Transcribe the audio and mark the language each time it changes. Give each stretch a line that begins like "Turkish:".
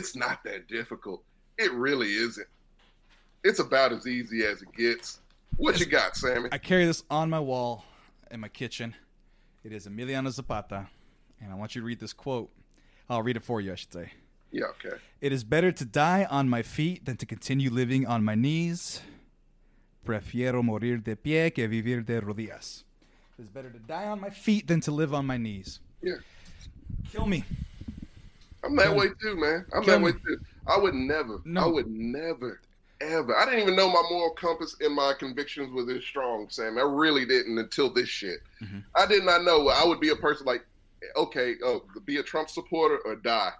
English: It's not that difficult. It really isn't. It's about as easy as it gets. What you got, Sammy? I carry this on my wall in my kitchen. It is Emiliano Zapata, and I want you to read this quote. I'll read it for you, I should say. Yeah, okay. It is better to die on my feet than to continue living on my knees.
Spanish: Prefiero morir de pie que vivir de rodillas.
English: It is better to die on my feet than to live on my knees. Yeah. Kill me. I'm that way too, man. I would never. No. I would never, ever. I didn't even know my moral compass and my convictions were this strong, Sam. I really didn't until this shit. Mm-hmm. I did not know I would be a person like, okay, oh, be a Trump supporter or die.